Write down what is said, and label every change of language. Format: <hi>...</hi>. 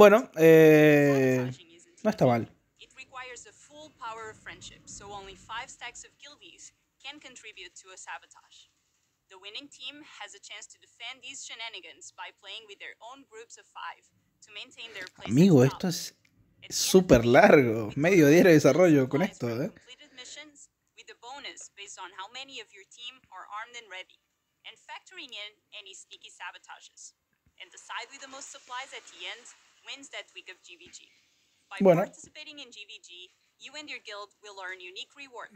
<es>Bueno, no está mal.</es> <en>It requires a full power of friendship, so only 5 stacks of guildies can contribute to a sabotage. The winning team has a chance to defend these shenanigans by playing with their own groups of 5 to maintain their place.</en> <es>Amigo, esto es super largo, medio día de desarrollo con esto, ¿eh?</es> <en>Completed missions with a bonus based on how many of your team are armed and ready, and factoring in any sneaky sabotages. And the side with the most supplies at the end wins that week of GVG.</en> <es>Bueno,</es> <en>participating in GVG, you and your guild will earn unique rewards.</en>